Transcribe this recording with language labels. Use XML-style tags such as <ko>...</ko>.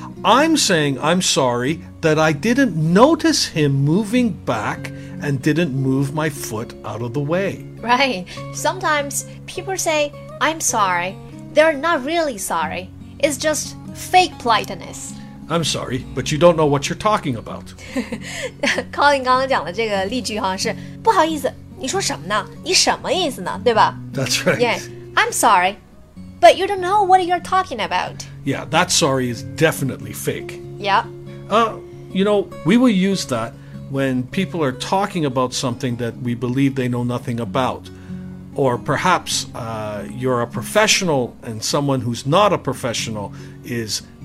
<en>I'm saying I'm sorry that I didn't notice him moving back and didn't move my foot out of the way. Right. Sometimes people say, I'm sorry. They're not really sorry. It's just fake politeness. I'm sorry, but you don't know what you're talking about.</en> <zh>Colin 刚刚讲的这个例句哈是不好意思，你说什么呢？你什么意思呢？对吧？</zh> <en>That's right. Yeah, I'm sorry, but you don't know what you're talking about. Yeah, that sorry is definitely fake. Yeah. You know, we will use that when people are talking about something that we believe they know nothing about. Or perhaps you're a professional and someone who's not a professional is...</en>